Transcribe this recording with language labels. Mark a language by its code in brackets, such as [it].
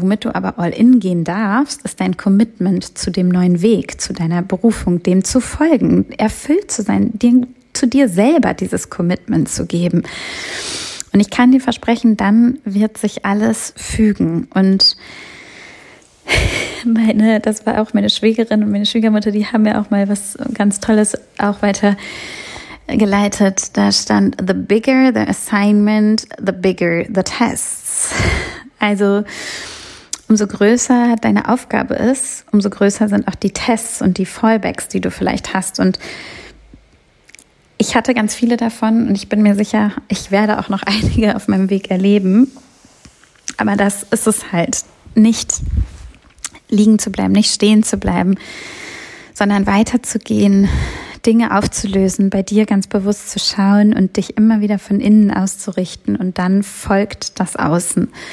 [de] Womit du aber All-In gehen darfst, ist dein Commitment zu dem neuen Weg, zu deiner Berufung, dem zu folgen, erfüllt zu sein, dir, zu dir selber dieses Commitment zu geben. Und ich kann dir versprechen, dann wird sich alles fügen. Und meine, das war auch meine Schwägerin und meine Schwiegermutter, die haben mir auch mal was ganz Tolles auch weiter geleitet. [en] Da stand, the bigger the assignment, the bigger the tests. [de] Also umso größer deine Aufgabe ist, umso größer sind auch die Tests und die Fallbacks, die du vielleicht hast. Und ich hatte ganz viele davon und ich bin mir sicher, ich werde auch noch einige auf meinem Weg erleben. Aber das ist es halt, nicht liegen zu bleiben, nicht stehen zu bleiben, sondern weiterzugehen, Dinge aufzulösen, bei dir ganz bewusst zu schauen und dich immer wieder von innen auszurichten und dann folgt das Außen.